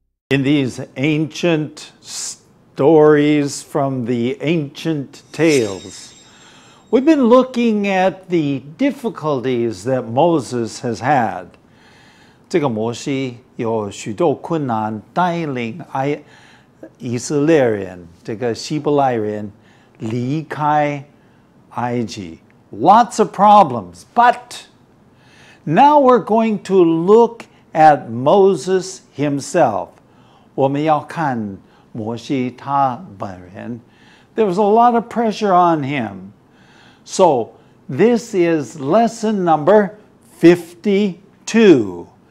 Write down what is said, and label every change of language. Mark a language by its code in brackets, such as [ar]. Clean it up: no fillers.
[en] In these ancient stories from the ancient tales, we've been looking at the difficulties that Moses has had. [zh] 这个摩西有许多困难带领以色列人，这个希伯来人离开埃及。 [en] Lots of problems, but now we're going to look at Moses himself. [zh] 我们要看摩西他本人。 [en] There was a lot of pressure on him. So this is lesson number 52.